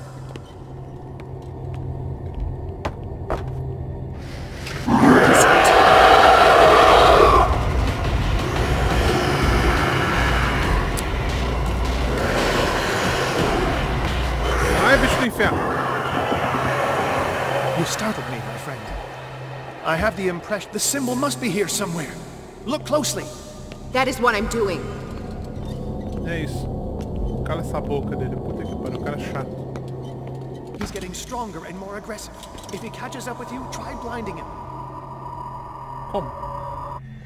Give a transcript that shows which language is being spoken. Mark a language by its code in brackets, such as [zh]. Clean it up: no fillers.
[pt] Ai, bicho do inferno. [en] You startled me, my friend. I have the impression the symbol must be here somewhere. Look closely. That is what I'm doing. [pt] É isso. Cala essa boca dele, puta que pariu, o cara é chato. [en] He's getting stronger and more aggressive. If he catches up with you, try blinding him. [pt] Como?